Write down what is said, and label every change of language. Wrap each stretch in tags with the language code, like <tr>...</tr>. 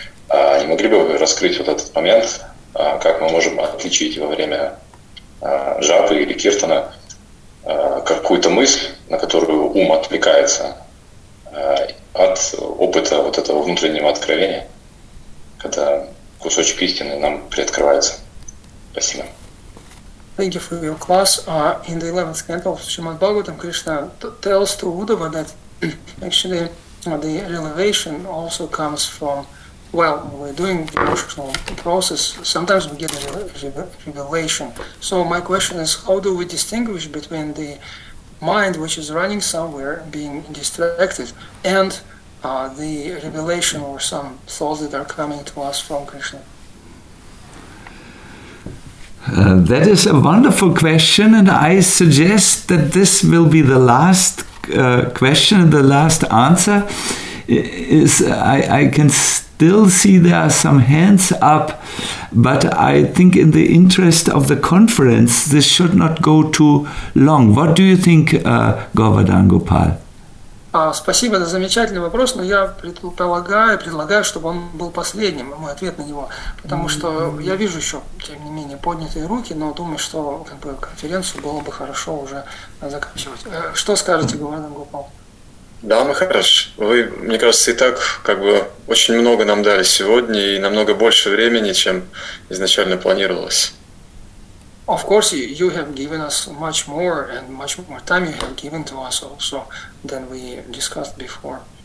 <ru>Не могли бы вы раскрыть вот этот момент, как мы можем отличить во время жапы или киртана какую-то мысль, на которую ум отвлекается, от опыта вот этого внутреннего откровения, когда кусочек истины нам приоткрывается? Спасибо.</ru> <en>Thank you for your class. In the 11th canto of Srimad Bhagavatam, Krishna tells to Uddhava that actually the realization also comes from, well, we're doing the emotional process. Sometimes we get a revelation. So my question is, how do we distinguish between the mind which is running somewhere, being distracted, and the revelation or some thoughts that are coming to us from Krishna? That is a wonderful question, and I suggest that this will be the last question and the last answer. I can still see there are some hands up, but I think in the interest of the conference, this should not go too long. What do you think, Govardhan Gopal?</en> <ru>Спасибо, это замечательный вопрос, но я предлагаю, чтобы он был последним, мой ответ на него, потому что я вижу еще, тем не менее, поднятые руки, но думаю, что как бы конференцию было бы хорошо уже заканчивать. Что скажете, Говардан Гопал? Да, Махарадж, вы, мне кажется, и так как бы очень много нам дали сегодня и намного больше времени, чем изначально планировалось.</ru> <en>Of course, you have given us much more, and much more time you have given to us also than we discussed before.</en>